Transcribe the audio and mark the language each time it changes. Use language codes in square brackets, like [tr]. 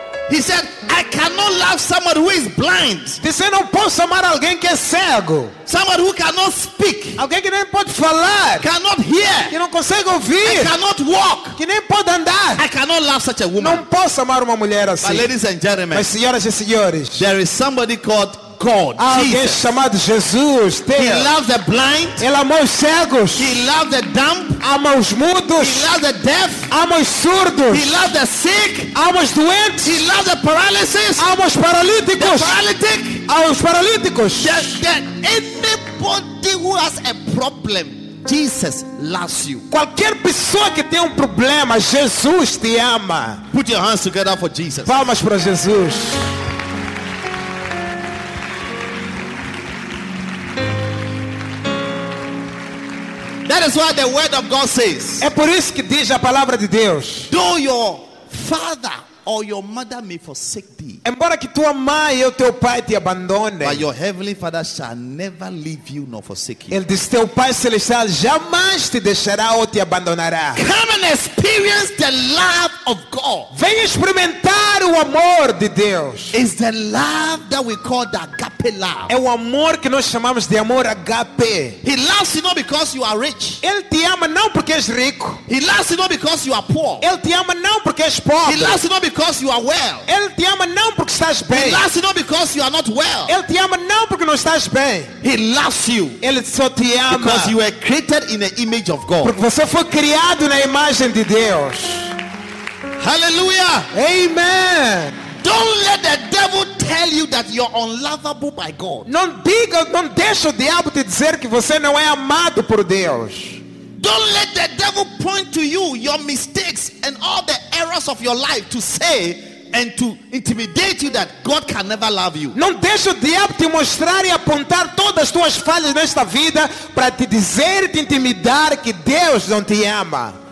[en] He said, I cannot love someone who is blind. [pt] Disse, não posso amar alguém que é cego. [en] Someone who cannot speak. [pt] Alguém que nem pode falar. [en] Cannot hear. [pt] Que não consegue ouvir. [en] I cannot walk. [pt] Que nem pode andar. [en] I cannot love such a woman. [pt] Não posso amar uma mulher assim. [en] But ladies and gentlemen. [pt] Mas senhoras e senhores. [en] There is somebody called God, [pt] alguém [en] Jesus. [pt] Chamado Jesus. Deus. [en] He loves the blind. [pt] Ele ama os cegos. [en] He loves the dumb. [pt] Ama os mudos. [en] He loves the deaf. [pt] Ama os surdos. [en] He loves the sick. [pt] Ama os doentes. [en] He loves the paralysis. [pt] Ama os paralíticos. [en] The paralytic. [pt] Ama os paralíticos. [en] Anybody who has a problem, Jesus loves you. [pt] Qualquer pessoa que tem problema, Jesus te ama. [en] Put your hands together for Jesus. [pt] Palmas para Jesus. [en] That is why the word of God says. [pt] É por isso que diz a palavra de Deus. [en] Though your father or your mother may forsake thee. [pt] Embora que tua mãe ou teu pai te abandone. [en] But your heavenly father shall never leave you nor forsake you. [pt] Ele diz, teu pai celestial jamais te deixará ou te abandonará. [en] Come and experience the love of God. [pt] Venha experimentar o amor de Deus. [en] It's the love that we call the agape love. [pt] É o amor que nós chamamos de amor agape. [en] He loves you not because you are rich. [pt] Ele te ama não porque és rico. [en] He loves you not because you are poor. [pt] Ele te ama não porque és pobre. [en] He loves you not because you are well. [pt] Ele te ama não porque estás bem. [en] He loves you not because you are not well. [pt] Ele te ama não porque não estás bem. [en] He loves you. [pt] Ele só te ama [en] because you were created in the image of God. [pt] Porque você foi criado na imagem de Deus. [en] Hallelujah. [pt] Amen. [en] Don't let the devil tell you that you're unlovable by God. [pt] Não diga, não deixe o diabo te dizer que você não é amado por Deus. [en] Don't let the devil point to you your mistakes and all the errors of your life to say and to intimidate you that God can never love you. [pt] Não deixe o diabo te mostrar e apontar todas as tuas falhas nesta vida para te dizer e te intimidar que Deus não te ama.